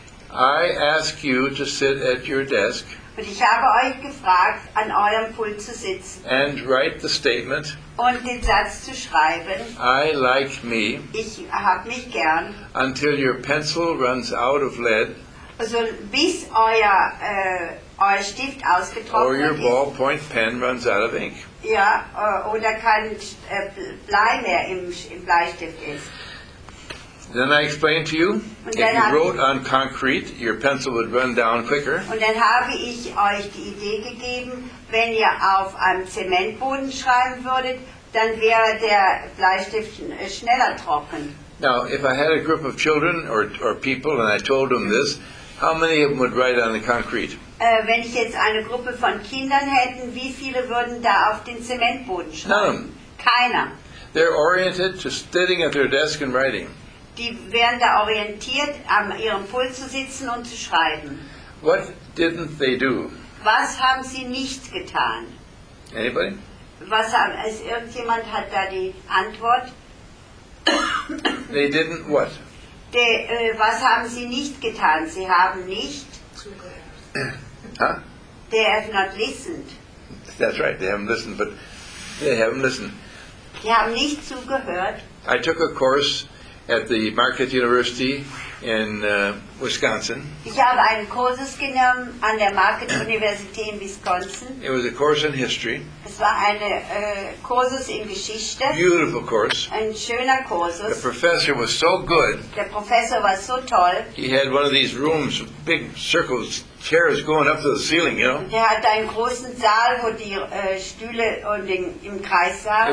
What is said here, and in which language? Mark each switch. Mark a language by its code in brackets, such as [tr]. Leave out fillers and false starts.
[en] I ask you to sit at your desk. [de] Und ich habe euch gefragt, an eurem Pult zu sitzen. [en] And write the statement. [de] Und den Satz zu schreiben. [en] I like me. [de] Ich hab mich gern. [en] Until your pencil runs out of lead. [de] Also bis euer euer Stift ausgetrocknet ist. [en] Or your ballpoint pen runs out of ink. [de] Ja, oder kein Blei mehr im Bleistift ist. [en] Then I explained to you, if you wrote on concrete, your pencil would run down quicker. [de] Und dann habe ich euch die Idee gegeben, wenn ihr auf einem Zementboden schreiben würdet, dann wäre der Bleistift schneller trocken. [en] Now, if I had a group of children or people and I told them this, how many of them would write on the concrete? [de] Wenn ich jetzt eine Gruppe von Kindern hätte, wie viele würden da auf den Zementboden schreiben? [en] None. [de] Keiner. [en] They're oriented to sitting at their desk and writing. [de] Die werden da orientiert, an ihrem Pult zu sitzen und zu schreiben. [en] What didn't they do? [de] Was haben sie nicht getan? [en] Anybody? [de] Was haben, also irgendjemand hat da die Antwort? They didn't what? Was haben sie nicht getan? Sie haben nicht zugehört. [en] Huh? They have not listened. That's right, they haven't listened, but they haven't listened. [de] Sie haben nicht zugehört. [en] I took a course at the Marquette University in Wisconsin. [de] Ich habe einen Kurs genommen an der Marquette University in Wisconsin. [en] It was a course in history. [de] Es war eine Kurs in Geschichte. [en] Beautiful course. [de] Ein schöner Kursus. [en] The professor was so good. [de] Der Professor war so toll. [en] He had one of these rooms, big circles, chairs going up to the ceiling, you know. [de] Er hatte einen großen Saal, wo die Stühle und im Kreis waren.